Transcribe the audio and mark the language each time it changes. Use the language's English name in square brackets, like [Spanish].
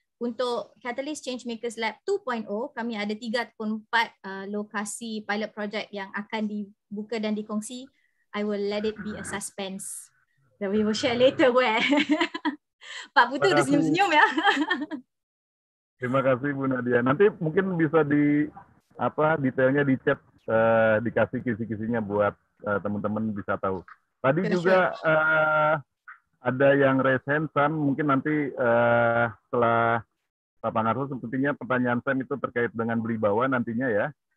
[Malay] Untuk Catalyst Changemakers Lab 2.0, kami ada 3 atau 4 lokasi pilot project yang akan dibuka dan dikongsi. [English] I will let it be a suspense that we will share later where. [Indonesian] Pak Putu udah senyum-senyum, ya. Terima kasih Bu Nadia. Nanti mungkin bisa detailnya di chat, dikasih kisi-kisinya buat teman-teman bisa tahu. Tadi juga ada yang [English] raise hand, [Indonesian] Sam. Mungkin nanti setelah Pak Pangarso, sepertinya pertanyaan Sam itu terkait dengan beli bawah nantinya, ya.